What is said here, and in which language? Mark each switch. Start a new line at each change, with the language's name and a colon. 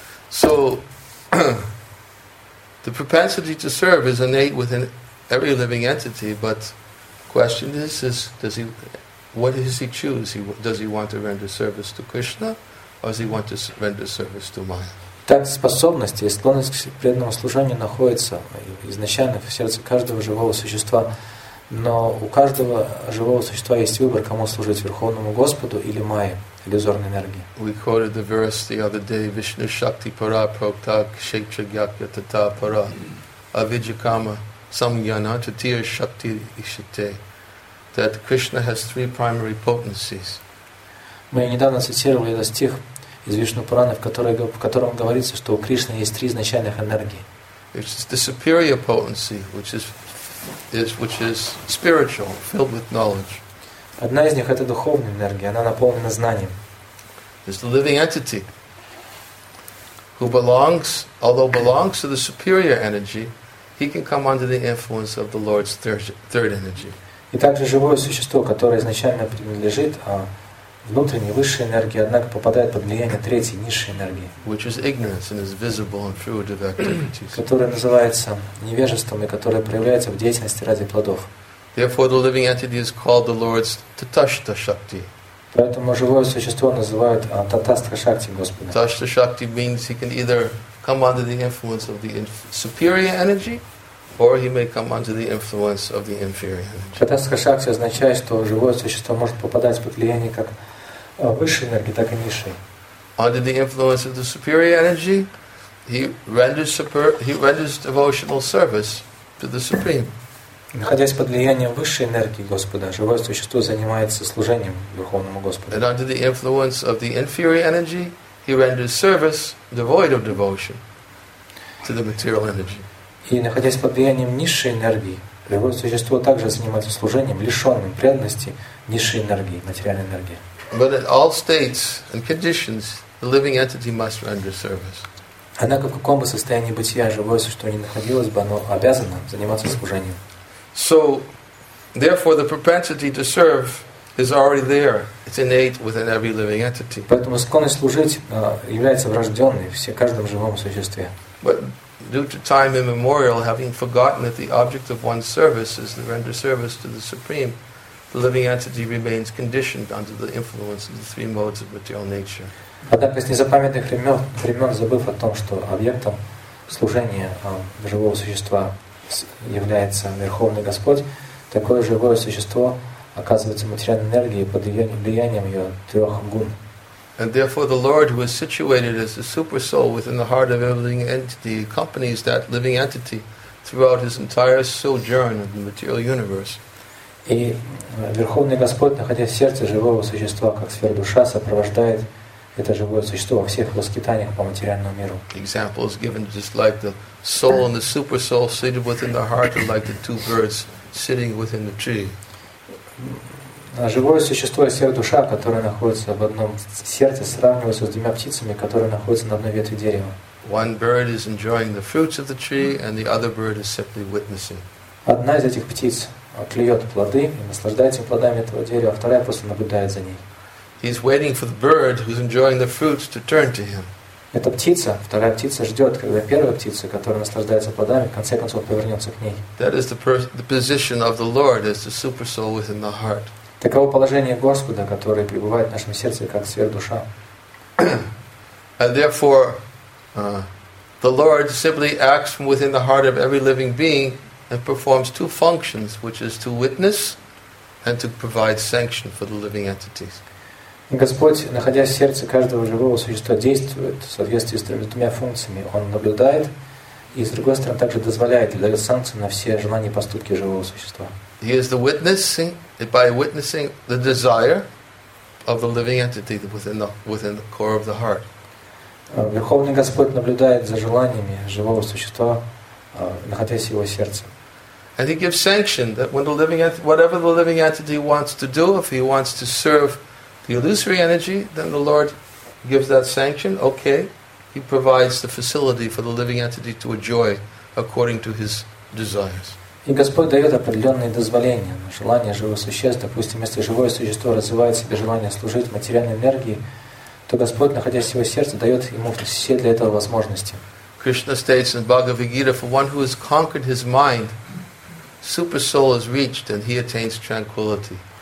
English: So, the propensity to serve is innate within every living entity, but the question is does he, what does he choose? Does he want to render service to Krishna? Or does he want to render service to Maya?
Russian: Так способность и склонность к преданному служению находится изначально в сердце каждого живого существа. Но у каждого живого существа есть выбор, кому служить, Верховному Господу или Майе, иллюзорной энергии.
English: We quoted the verse the other day,
Sanskrit: Vishnu Shakti Para Prokta Kshetra Gyakya Tata Para Avijakama Samyana Tatiya Shakti Ishite,
English: that Krishna has three primary potencies.
Russian: Мы недавно цитировали этот стих из Вишну Пураны, в котором говорится, что у Кришны есть три изначальных энергии.
English: It's the superior potency, which is spiritual, filled with knowledge.
Russian: Одна из них — это духовная энергия, она наполнена знанием.
English: It's the living entity, who belongs, although belongs to the superior energy, he can come under the influence of the Lord's third energy.
Russian: И также живое существо, которое изначально принадлежит внутренней высшей энергии, однако попадает под влияние третьей низшей энергии,
English: which is ignorance and is visible in fruitive activities,
Russian: которая называется невежеством и которая проявляется в деятельности ради плодов.
English: Therefore, the living entity is called the Lord's tatashta shakti.
Russian: Поэтому живое существо называют татастра шакти Господа.
English: Tatashta shakti means he can either come under the influence of the superior energy, or he may come under the influence of the inferior energy.
Russian: Татастра шакти означает, что живое существо может попадать под влияние как высшей энергии, так и низшей.
English: Under the influence of the superior energy, he renders devotional service to the Supreme.
Russian: Находясь под влиянием высшей энергии Господа, живое существо занимается служением Верховному Господу.
English: And under the influence of the inferior energy, he renders service devoid of devotion to the material energy.
Russian: И находясь под влиянием низшей энергии, живое существо также занимается служением, лишенным преданности низшей энергии, материальной энергии.
English: But in all states and conditions, the living entity must render service.
Russian: Однако в каком бы состоянии бытия живое существо ни находилось бы, оно обязано заниматься служением.
English: So, therefore, the propensity to serve is already there. It's innate within every living entity.
Russian: Поэтому склонность служить является врожденной в каждом живом существе.
English: But due to time immemorial, having forgotten that the object of one's service is to render service to the Supreme, the living entity remains conditioned under the influence of the three modes of material nature.
Russian: Однако с незапамятных времен, забыв о том, что объектом служения живого существа является Верховный Господь, такое живое существо оказывается материальной энергией под влиянием ее трех гун.
English: And therefore the Lord, who is situated as the super soul within the heart of every living entity, accompanies that living entity throughout his entire sojourn in the material universe.
Russian: И Верховный Господь, находясь в сердце живого существа как сфера душа, сопровождает это живое существо во всех его скитаниях по материальному миру.
English: Example is given just like the soul and the super soul seated within the heart are like the two birds sitting within the tree.
Russian: Живое существо и сфера душа, которые находятся в одном сердце, сравниваются с двумя птицами, которые находятся на одной ветви дерева.
English: One bird is enjoying the fruits of the tree, and the other bird is simply witnessing.
Russian: Одна из этих птиц клюет плоды и наслаждается плодами этого дерева, вторая просто наблюдает за ней.
English: He's waiting for the bird who's enjoying the fruits to turn to him.
Russian: Эта птица, вторая птица, ждет, когда первая птица, которая наслаждается плодами, в конце концов повернется к ней.
English: That is the position of the Lord as the super soul within the heart.
Russian: Таково положение Господа, которое пребывает в нашем сердце как сверхдуша.
English: And therefore, the Lord simply acts from within the heart of every living being and performs two functions, which is to witness and to provide sanction for the living entities.
Russian: Господь, находясь в сердце каждого живого существа, действует в соответствии с двумя функциями. Он наблюдает и, с другой стороны, также дозволяет и дает санкцию на все желания и поступки живого существа.
English: He is the witnessing, by witnessing the desire of the living entity within the core of the heart.
Russian: Верховный Господь наблюдает за желаниями живого существа, находясь в его сердце.
English: And he gives sanction that when the living entity, whatever the living entity wants to do, if he wants to serve the illusory energy, then the Lord gives that sanction, okay. He provides the facility for the living entity to enjoy according to his desires.
Russian: И Господь дает определенные дозволения на желание живых существ. Допустим, если живое существо развивает в себе желание служить материальной энергии, то Господь, находясь в его сердце, дает ему все для этого возможности.
English: Krishna states in Bhagavad Gita, for one who has conquered his mind, super soul is reached and he attains tranquility.